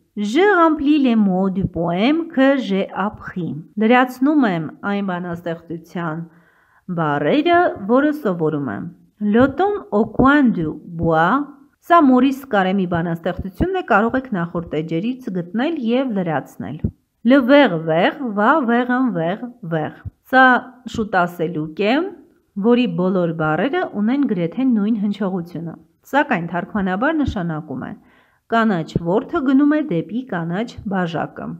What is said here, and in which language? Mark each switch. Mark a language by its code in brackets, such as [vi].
[fr] Je remplis les mots du poème que j'ai appris. [hy] Լրացնում եմ այն բանաստեղծության բառերը, որը սովորում եմ. [fr] L'automne au coin du bois. [hy] Սա Մորիս Կարեմի բանաստեղծությունն է, կարող եք նախորդ էջերից գտնել եւ լրացնել. [fr] Le ver ver va vers un ver ver. [hy] Սա շուտ ասելուկ է, որի բոլոր բառերը ունեն գրեթե նույն հնչողությունը։ Սակայն թարգմանաբար նշանակում է. Կանաչ որդը գնում է դեպի կանաչ բաժակը։